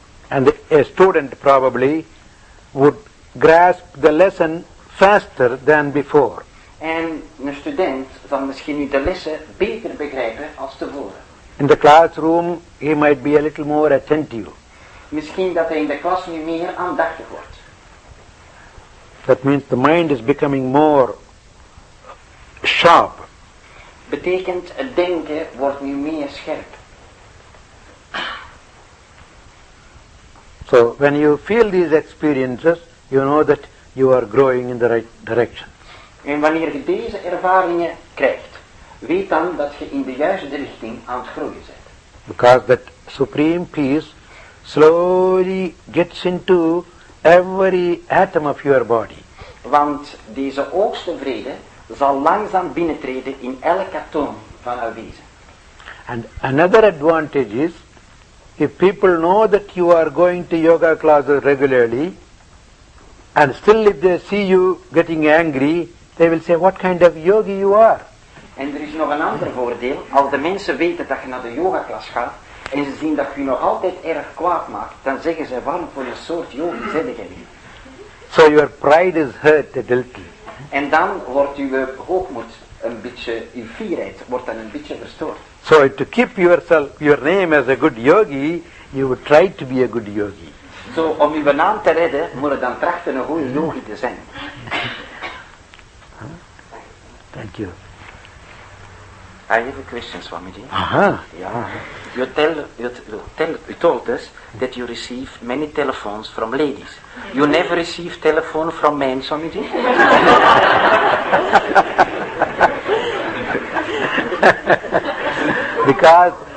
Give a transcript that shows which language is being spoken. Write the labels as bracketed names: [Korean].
[English] And a student probably would grasp the lesson faster than before. [Dutch] En een student zal misschien nu de lessen beter begrijpen als tevoren. [English] In the classroom he might be a little more attentive. [Dutch] Misschien dat hij in de klas nu meer aandachtig wordt. [English] That means the mind is becoming more sharp. [Dutch] Betekent het denken wordt nu meer scherp. [English] So when you feel these experiences, you know that you are growing in the right direction. [Dutch] En wanneer je deze ervaringen krijgt, weet dan dat je in de juiste richting aan het groeien bent. [English] Because that supreme peace slowly gets into every atom of your body. [Dutch] Want deze hoogste vrede zal langzaam binnentreden in elk atoom van uw wezen. [English] And another advantage is, if people know that you are going to yoga classes regularly, and still if they see you getting angry, they will say, what kind of yogi you are. [Dutch] En er is nog een ander voordeel, als de mensen weten dat je naar de yogaklas gaat, en ze zien dat je nog altijd erg kwaad maakt, dan zeggen ze, waarom voor een soort yogi zet je niet? [English] So your pride is hurt a little. [Dutch] En dan wordt uw hoogmoed een beetje, uw fierheid wordt dan een beetje verstoord. [English] So to keep yourself, your name as a good yogi, you would try to be a good yogi. [Dutch] So om uw naam te redden, moet je dan trachten een goede yogi te zijn. [English] Thank you. I have a question, Swamiji. You told us that you receive many telephones from ladies. You never receive telephone from men, Swamiji?